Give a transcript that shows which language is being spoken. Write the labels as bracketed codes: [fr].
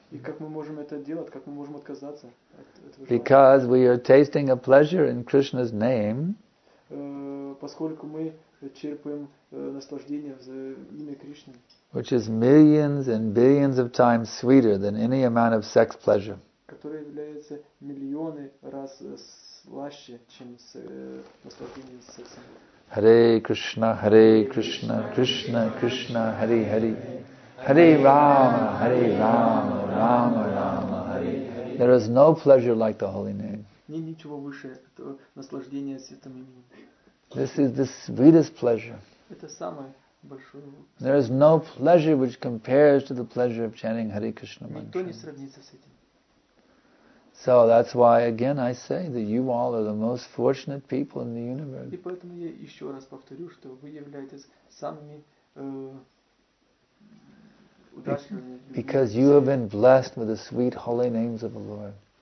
[ru] И как мы можем это делать? Как мы можем отказаться от этого? [en] Because we are tasting a pleasure in Krishna's name. [ru] Поскольку мы черпаем наслаждение в имя Кришны. [en] Which is millions and billions of times sweeter than any amount of sex pleasure. [ru] Которое является миллионы раз слаще, чем с наслаждением сексом. [sa] Hare Krishna, Krishna Krishna, Hare Hare. Hare Rama, Hare Rama, Rama Rama, Hare. [en] There is no pleasure like the holy name. [ru] Нет ничего выше этого наслаждения святым именем. [en] This is the sweetest pleasure. [ru] Это самое большое. [en] There is no pleasure which compares to the pleasure of chanting Hare Krishna mantra. [ru] Никто не сравнится с этим. [en] So that's why, again, I say that you all are the most fortunate people in the universe. [ru] И поэтому я еще раз повторю, что вы являетесь самыми удачными. [en] Because you have been blessed with the sweet holy names of the Lord.